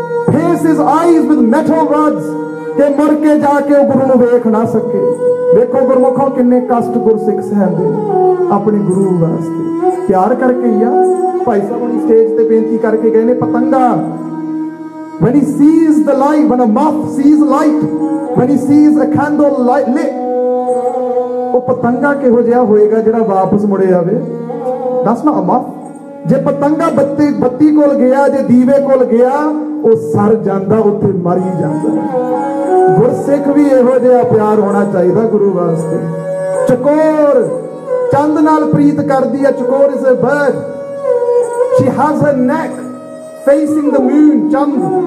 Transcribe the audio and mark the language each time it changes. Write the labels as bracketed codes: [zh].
[en] face is eyes with metal rods, [pa] ਤੇ ਮੁੜ ਕੇ ਜਾ ਕੇ ਉਹ ਗੁਰੂ ਨੂੰ ਵੇਖ ਨਾ ਸਕੇ। ਵੇਖੋ ਗੁਰਮੁਖੋ ਕਿੰਨੇ ਕਸ਼ਟ ਗੁਰਸਿੱਖ ਸਹਿੰਦੇ ਆਪਣੇ ਗੁਰੂ ਵਾਸਤੇ। ਤਿਆਰ ਕਰਕੇ ਆ ਭਾਈ ਸਾਹਿਬ ਹੁਣ ਸਟੇਜ ਤੇ ਬੇਨਤੀ ਕਰਕੇ ਗਏ ਨੇ ਪਤੰਗਾ। [en] When he sees the light, when a moth sees light, when he sees a candle light lit, [pa] ਉਹ ਪਤੰਗਾ ਕਿਹੋ ਜਿਹਾ ਹੋਏਗਾ ਜਿਹੜਾ ਵਾਪਸ ਮੁੜੇ ਆਵੇ? ਦੱਸ ਨਾ ਅਮਾ, ਜੇ ਪਤੰਗਾ ਬੱਤੀ ਬੱਤੀ ਕੋਲ ਗਿਆ, ਜੇ ਦੀਵੇ ਕੋਲ ਗਿਆ, ਉਹ ਸਰ ਜਾਂਦਾ ਉੱਥੇ, ਮਰ ਹੀ ਜਾਂਦਾ। ਗੁਰਸਿੱਖ ਵੀ ਇਹੋ ਜਿਹਾ ਪਿਆਰ ਹੋਣਾ ਚਾਹੀਦਾ ਗੁਰੂ ਵਾਸਤੇ। ਚਕੋਰ ਚੰਦ ਨਾਲ ਪ੍ਰੀਤ ਕਰਦੀ ਹੈ, [en] Chakor is bird, she has her neck facing the moon, ਚੰਦ।